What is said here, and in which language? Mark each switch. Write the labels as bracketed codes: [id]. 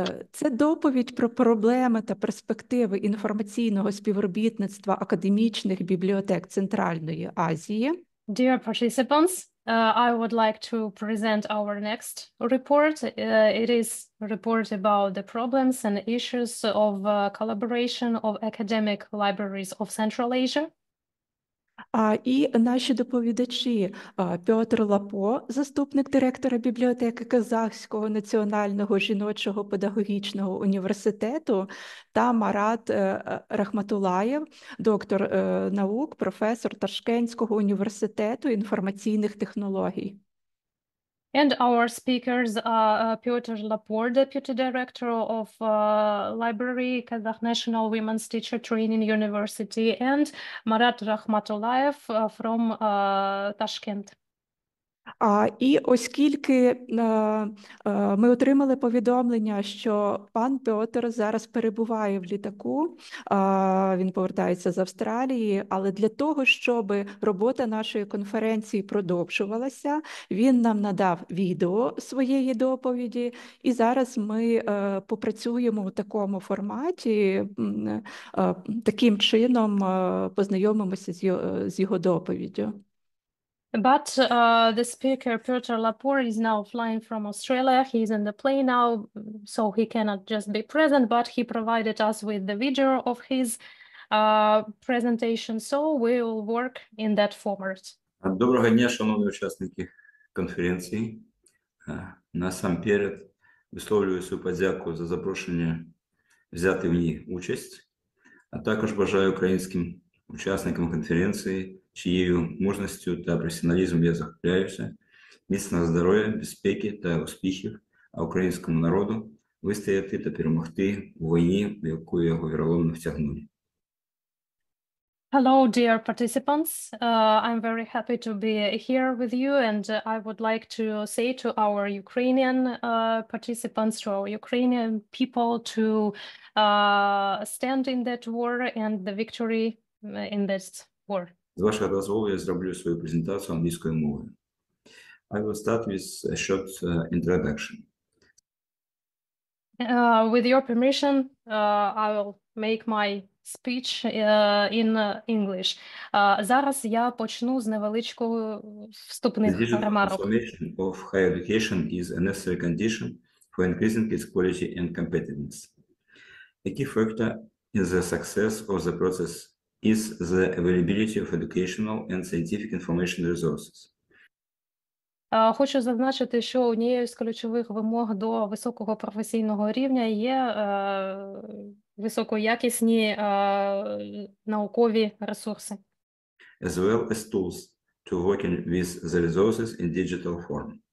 [uk] Це доповідь про проблеми та перспективи інформаційного співробітництва академічних бібліотек Центральної Азії. [en] Dear participants, I would like to present our next report. It is a report about the problems and issues of collaboration of academic libraries of Central Asia. [uk] І наші доповідачі Пьотр Лапо, заступник директора бібліотеки Казахського національного жіночого педагогічного університету, та Марат Рахматулаєв, доктор наук, професор Ташкентського університету інформаційних технологій. [en] And our speakers are Piotr Lapur, Deputy Director of Library, Kazakh National Women's Teacher Training University, and Marat Rahmatullayev from Tashkent. [uk] І оскільки ми отримали повідомлення, що пан Пьотр зараз перебуває в літаку, він повертається з Австралії, але для того, щоб робота нашої конференції продовжувалася, він нам надав відео своєї доповіді, і зараз ми попрацюємо у такому форматі, таким чином познайомимося з його доповіддю. [en] But the speaker, Piotr Lapur, is now flying from Australia. He is in the plane now, so he cannot just be present, but he provided us with the video of his presentation. So we will work in that format. [uk] Доброго дня, шановні учасники конференції. Насамперед висловлюю свою подяку за запрошення взяти в ній участь, а також бажаю українським учасникам конференції, чиєю мужністю та професіоналізмом я захопляюся, міцного здоров'я, безпеки та успіхів, а українському народу вистояти та перемогти у війні, в яку його віроломно втягнули. [en] Hello, dear participants. I'm very happy to be here with you, and I would like to say to our Ukrainian participants, to our Ukrainian people, to stand in that war and the victory in this war. [uk] З вашого дозволу я зроблю свою презентацію англійською мовою. [en] I will start with a short introduction. With your permission, I will make my speech in English. [uk] Зараз я почну з невеличкого вступних [en] remarks. The digital [uk] ремарок. [en] Transformation of higher education is a necessary condition for increasing its quality and competitiveness. A key factor in the success of the process is the availability of educational and scientific information resources. [uk] Хочу зазначити, що однією з ключових вимог до високого професійного рівня є високоякісні наукові ресурси. [en] As well as tools to work with the resources in digital form.